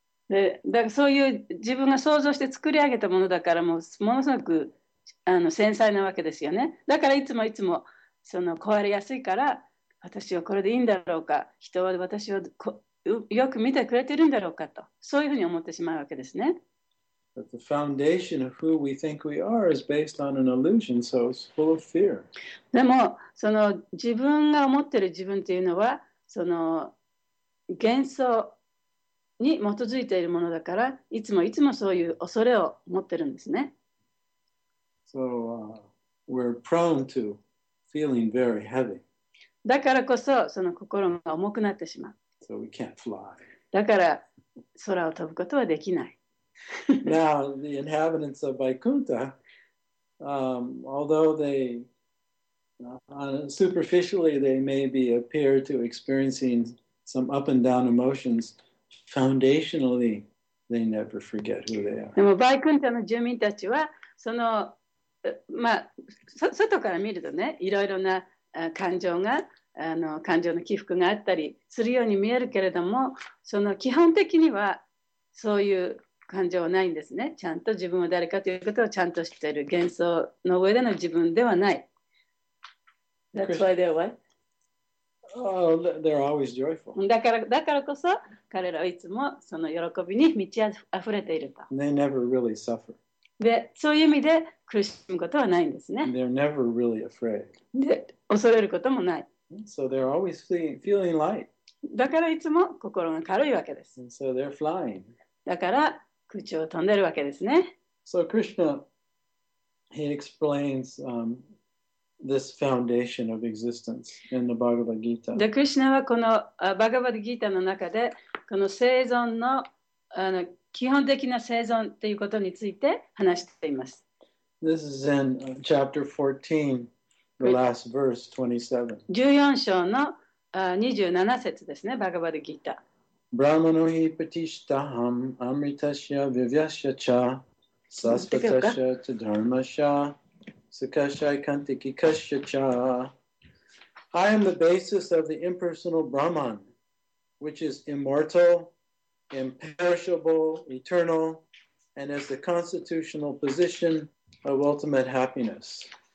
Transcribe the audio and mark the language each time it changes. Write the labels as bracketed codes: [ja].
[ja] で、だからそういう自分が想像して作り上げたものだからもうものすごく繊細なわけですよね。だからいつもいつもその壊れやすいから、私はこれでいいんだろうか、人は私をよく見てくれてるんだろうかと、そういうふうに思ってしまうわけですね。 [en] But the foundation of who we think we are is based on an illusion, so it's full of fear. [ja] でも、その自分が思ってる自分というのは、その幻想に基づいているものだから、いつもいつもそういう恐れを持ってるんですね。 [en] So, we're prone to feeling very heavy. [ja] だからこそ、その心が重くなってしまう。 [en] So we can't fly. [ja] だから、空を飛ぶことはできない。 [en] Now, the inhabitants of Vaikuntha, although they, superficially, they may be appear to experiencing some up and down emotions, foundationally, they never forget who they are. [ja] でも、Vaikunthaの住民たちは、その、まあ、外から見るとね、いろいろな感情があの感情の起伏があったりするように見えるけれども、その基本的にはそういう感情はないんですね。ちゃんと自分は誰かということをちゃんと知っている幻想の上での自分ではない。 [en] That's why they're what? They're always joyful. [ja] だからこそ彼らはいつもその喜びに満ちあふれていると。 [en] They never really suffer. [ja] で、そういう意味で苦しむことはないんですね。 [en] They're never really afraid. [ja] で、恐れることもない。 [en] So they're always feeling light. [ja] だからいつも心が軽いわけです。 [en] And so they're flying. [ja] だから空中を飛んでるわけですね。 [en] So Krishna, he explains, this foundation of existence in the Bhagavad Gita. [ja] で、クリシナはこのバガヴァッド・ギータの中で、この生存の、あの、基本的な生存ということについて話しています。 [en] This is in chapter 14, the last verse, 27. [ja] 14章の27節ですね、バガヴァッド・ギータ。 [sa] ブラマノヒプティシタハム、アムリタシャ、ヴィヴィアシャチャ、サスパタシャ、タダルマシャ、Sukashai Kantiki Kashyacha. [en] I am the basis of the impersonal Brahman, which is immortal, imperishable, eternal, and is the constitutional position of ultimate happiness.